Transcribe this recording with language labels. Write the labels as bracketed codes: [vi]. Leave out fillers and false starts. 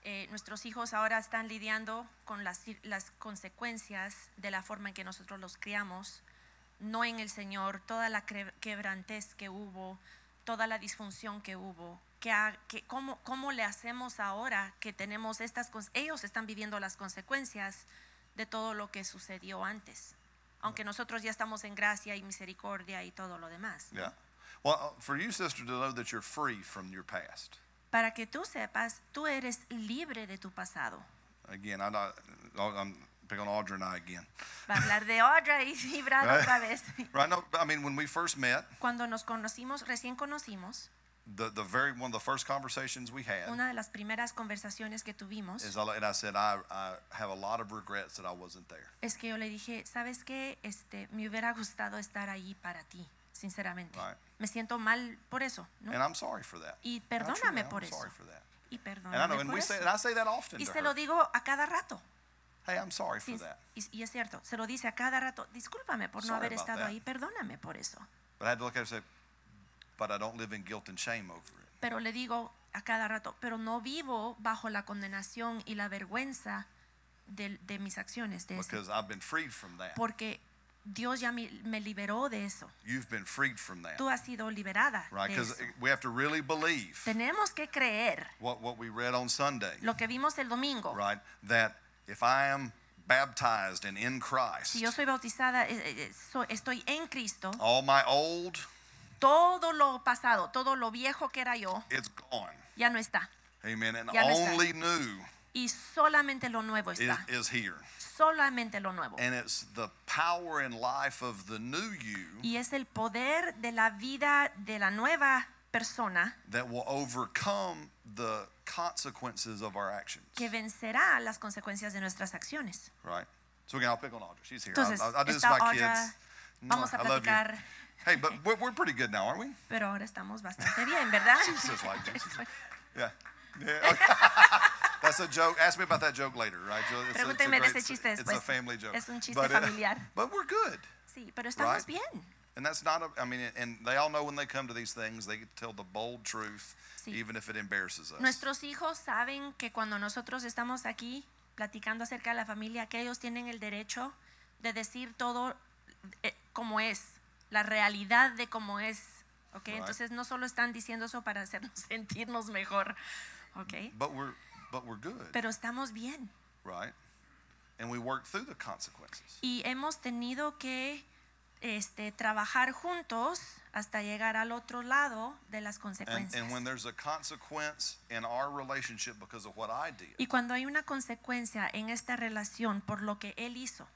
[es] Nuestros hijos ahora están lidiando con las consecuencias de la forma en que nosotros los criamos, no en el Señor, toda la quebrantez que hubo, toda la disfunción que hubo. ¿Cómo le hacemos ahora que tenemos estas consecuencias? Ellos están viviendo las consecuencias de todo lo que sucedió antes, aunque nosotros ya estamos en gracia y misericordia y todo lo demás. [en] Yeah. Well, for you, sister, to know that you're free from your past. [es] Para que tú sepas, tú eres libre de tu pasado. [en] Again, I'm picking on Audrey and I again. [es] Va a hablar de Audrey y Brad otra vez. [en] Right, no, I mean, when we first met. [es] Cuando nos conocimos, recién conocimos. [en] One of the first conversations we had. [es] Una de las primeras conversaciones que tuvimos. [en] And I said, I have a lot of regrets that I wasn't there. [es] Es que yo le dije, ¿sabes qué? Me hubiera gustado estar ahí para ti. Sinceramente, [en] right. [es] Me siento mal por eso, ¿no? [en] And I'm sorry for that. [es] Y perdóname por eso. [en] Sorry for that. [es] Y perdóname [en] and I know, and [es] por [en] we [es] eso. [en] Say, and I say that often [es] y [en] to [es] se lo digo a cada rato. [en] Hey, I'm sorry for that. [es] Y es cierto, se lo dice a cada rato. Discúlpame por [en] sorry [es] no haber estado [en] that. [es] Ahí, perdóname por eso. [en] But I had to look at it and say, but I don't live in guilt and shame over it. [es] Pero le digo a cada rato, pero no vivo bajo la condenación y la vergüenza de mis acciones. De [en] because I've been freed from that. [es] Porque Dios ya me liberó de eso. [en] You've been freed from that. [es] Tú has sido liberada. [en] Right, because we have to really believe. [es] Tenemos que creer. [en] What we read on Sunday. [es] Lo que vimos el domingo. [en] Right, that if I am baptized and in Christ. [es] Si yo soy bautizada, estoy en Cristo. [en] All my old. [es] Todo lo pasado, todo lo viejo que era yo. [en] It's gone. [es] Ya no está. [en] Amen. And [es] ya [en] only [es] está. [en] New. [es] Y solamente lo nuevo está. [en] Is here. [es] Solamente lo nuevo. [en] And it's the power and life of the new you. [es] Y es el poder de la vida de la nueva persona. [en] That will overcome the consequences of our actions. [es] Que vencerá las consecuencias de nuestras acciones. [en] Right. So again, I'll pick on Audrey. She's here. [es] Entonces, [en] I do this with my [es] Audra, [en] kids. [es] Vamos a platicar. [en] Hey, but we're pretty good now, aren't we? [es] Pero ahora estamos bastante bien, ¿verdad? [en] She's just like this. Yeah. Yeah. Okay. That's a joke. Ask me about that joke later, right? [es] Pregúnteme de ese chiste después. [en] It's a family joke. [es] Es un chiste familiar. [en] But we're good. [es] Sí, pero estamos bien. [en] And that's not and they all know when they come to these things, they tell the bold truth, [es] sí. [en] Even if it embarrasses us. [es] Nuestros hijos saben que cuando nosotros estamos aquí platicando acerca de la familia, que ellos tienen el derecho de decir todo como es, la realidad de cómo es, ¿okay? [en] Right. [es] Entonces no solo están diciendo eso para hacernos sentirnos mejor, ¿okay? [en] But we're good. [es] Pero estamos bien. [en] Right. And we worked through the consequences. [es] Y hemos tenido que trabajar juntos hasta llegar al otro lado de las consecuencias. [en] And when there's a consequence in our relationship because of what I did. [es] Y cuando hay una consecuencia en esta relación por lo que él hizo.